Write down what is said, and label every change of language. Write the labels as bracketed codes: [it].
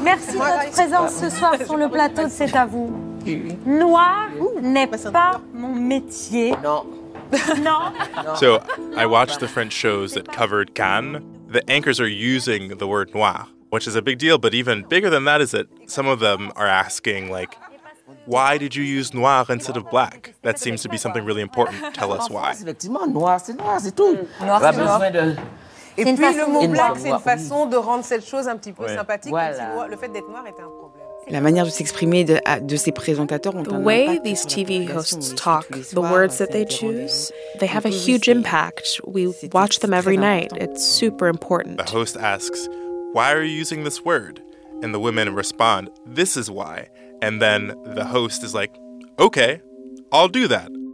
[fr] Merci de votre présence ce soir sur le plateau de C'est à vous. Noir n'est pas mon métier. Non. [en] So I watched the French shows that covered Cannes. The anchors are using the word noir, which is a big deal, but even bigger than that is that some of them are asking, like, why did you use noir instead of black? That seems to be something really important. Tell us why. [fr] Effectivement, noir, c'est noir, c'est tout. Noir, c'est noir. Et puis le mot black, c'est une façon de rendre cette chose un petit peu sympathique. Le fait d'être noir était un problème. La manière de s'exprimer de ces présentateurs ont un impact. [en] The way these TV hosts talk, the words that they choose, they have a huge impact. We watch them every night. It's super important. The host asks, why are you using this word? And the women respond, this is why. And then the host is like, okay, I'll do that.